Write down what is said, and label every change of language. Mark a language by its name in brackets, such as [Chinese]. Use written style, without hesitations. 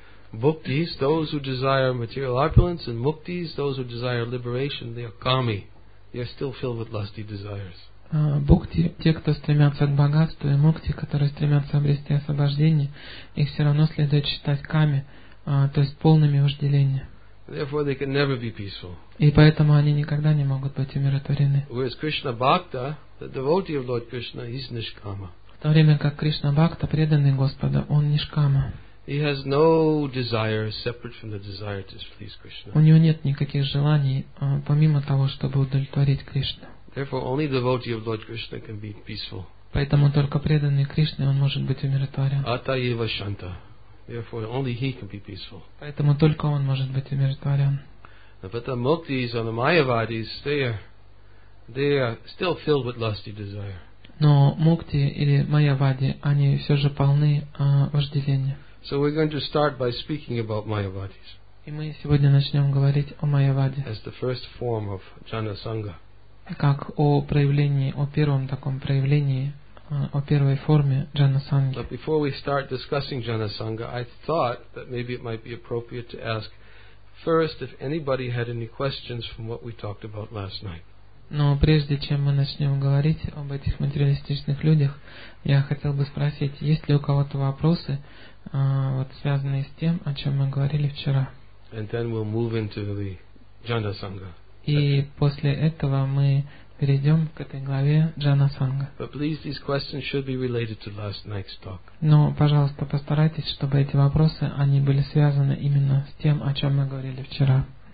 [English] Bhuktis, those who desire material opulence, and muktis, those who desire liberation, they are kami. They are still filled with lusty desires. [Russian] Бхукти, те, кто стремятся к богатству, и мукти, которые стремятся обрести освобождение, их все равно следует считать ками, то есть полными вожделения. [English] Therefore, they can never be peaceful. [Russian] И поэтому они никогда не могут быть умиротворены. [English] Whereas Krishna Bhakta, the devotee of Lord Krishna, he's nishkama. [Russian] В то время как Кришна Бхакта, преданный Господа, он нишкама. [English] He has no desire separate from the desire to please Krishna. [Russian] У него нет никаких желаний помимо того, чтобы удовлетворить Кришну. [English] Therefore, only the devotee of Lord Krishna can be peaceful. [Russian] Поэтому только преданный Кришне он может быть умиротворен. [Sanskrit] Ata eva shanta. [English] Therefore, only he can be peaceful. [Russian] Поэтому только он может быть умиротворен. [English] But the muktis and the mayavadis, they are still filled with lusty desire. [Russian] Но мукти или майявади, они все же полны вожделения. [English] So we're going to start by speaking about mayavadis. [Russian] И мы сегодня начнем говорить о майявади. [English] As the first form of jhana sangha. [Russian] Как о проявлении, о первом таком проявлении, о первой форме джанасанги. [English] But before we start discussing джанасанга, I thought that maybe it might be appropriate to ask first if anybody had any questions from what we talked about last night. [Russian] Но прежде чем мы начнем говорить об этих материалистичных людях, я хотел бы спросить, есть ли у кого-то вопросы, вот связанные с тем, о чем мы говорили вчера. [English] And then we'll move into the джанасанга. [Russian] И после этого мы перейдем к этой главе джанасанга. [English] But please, these questions should be related to last night's talk. [Russian] Но, пожалуйста, постарайтесь, чтобы эти вопросы, они были связаны именно с тем, о чем мы говорили вчера.